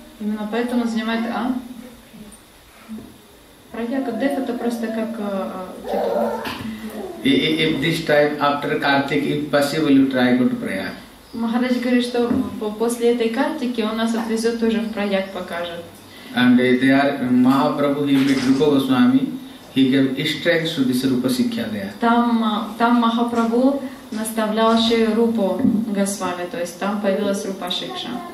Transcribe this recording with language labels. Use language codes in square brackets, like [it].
[ru] Именно поэтому занимает Прояка. Дэв это просто как титул. [en] If this time after Kartik, if possible, you try go to Prayag. [ru] Махарадж говорит, что после этой Картики он нас отвезет тоже в Прояк, покажет. [en] And they are Mahaprabhu, he met Rupa Goswami, he gave strength to this Rupa Sikhya there. [ru] Там Махапрабху наставлял еще Рупу Госвами, то есть там появилась Рупа Шикша.